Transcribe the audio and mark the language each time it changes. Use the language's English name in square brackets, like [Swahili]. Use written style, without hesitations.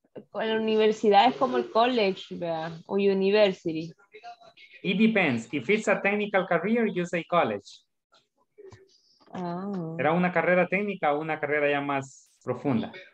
[Spanish] Con la universidad es como el college, ¿verdad? O university. [English] It depends. If it's a technical career, you say college. Oh. [Spanish] ¿Era una carrera técnica o una carrera ya más profunda?